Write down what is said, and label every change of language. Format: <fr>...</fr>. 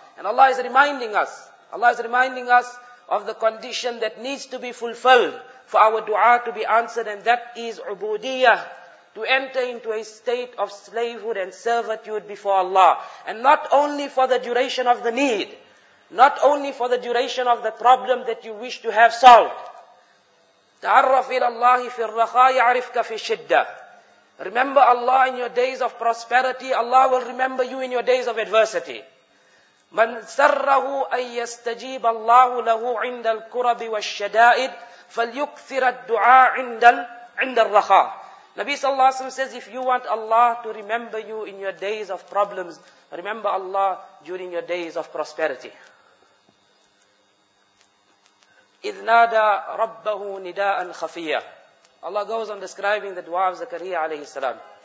<en>And Allah is reminding us, of the condition that needs to be fulfilled for our dua to be answered, and that is ubudiyah, to enter into a state of slavehood and servitude before Allah. And not only for the duration of the need, not only for the duration of the problem that you wish to have solved.</en> <ar>تعرف إلى الله في الرخاء يعرفك في الشدة.</ar> <en>Remember Allah in your days of prosperity. Allah will remember you in your days of adversity.</en> <ar>من سره أن يستجيب الله له عند الكرب والشدائد فليكثر الدعاء عند الرخاء.</ar> <en>Nabi sallallahu alaihi wasallam says, if you want Allah to remember you in your days of problems, remember Allah during your days of prosperity.</en> <ar>إِذْ نَادَى رَبَّهُ نِدَاءً خَفِيًّا</ar> <en>Allah goes on describing the dua of Zakariya alayhi salam.</en>